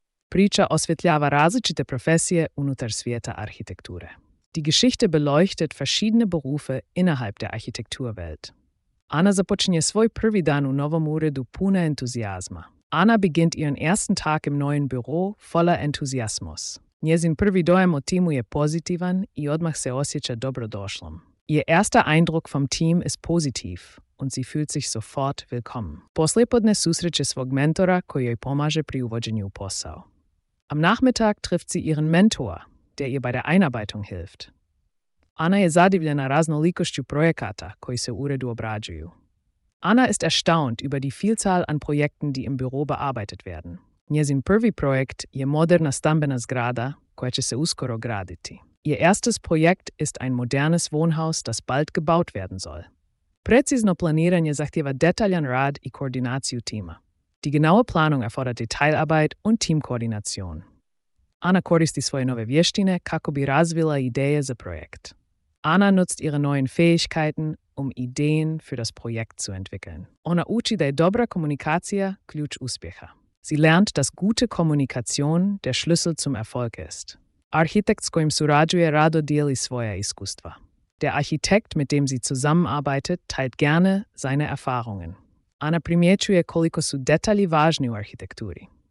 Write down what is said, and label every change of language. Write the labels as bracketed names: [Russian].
[Croatian] Priča osvjetljava različite profesije unutar svijeta arhitekture. [German] Die Geschichte beleuchtet verschiedene Berufe innerhalb der Architekturwelt. [Croatian] Ana započinje svoj prvi dan u novom uredu puna entuzijazma. [German] Ana beginnt ihren ersten Tag im neuen Büro voller Enthusiasmus. [Croatian] Njezin prvi dojem o timu je pozitivan i odmah se osjeća dobrodošlom. [German] Ihr erster Eindruck vom Team ist positiv und sie fühlt sich sofort willkommen. [Croatian] Poslijepodne susreće svog mentora koji joj pomaže pri uvođenju u posao. [German] Am Nachmittag trifft sie ihren Mentor, der ihr bei der Einarbeitung hilft. [Croatian] Ana je zadivljena raznolikošću projekata koji se u uredu obrađuju. [German] Anna ist erstaunt über die Vielzahl an Projekten, die im Büro bearbeitet werden. [Croatian] Njezin prvi projekt je moderna stambena zgrada, koja će se uskoro graditi. [German] Ihr erstes Projekt ist ein modernes Wohnhaus, das bald gebaut werden soll. [Croatian] Precizno planiranje zahtjeva detaljan rad i koordinaciju tima. [German] Die genaue Planung erfordert Detailarbeit und Teamkoordination. [Croatian] Anna koristi svoje nove vještine kako bi razvila ideje za projekt. [German] Anna nutzt ihre neuen Fähigkeiten, Ideen für das Projekt zu entwickeln. [Croatian] Ona uči da je dobra komunikacija ključ uspjeha. [German] Sie lernt, dass gute Kommunikation der Schlüssel zum Erfolg ist. [Croatian] Arhitekt s kojim surađuje rado dijeli svoja iskustva. [German] Der Architekt, mit dem sie zusammenarbeitet, teilt gerne seine Erfahrungen. [Croatian] Anna primjećuje koliko su detalji važni u arhitekturi.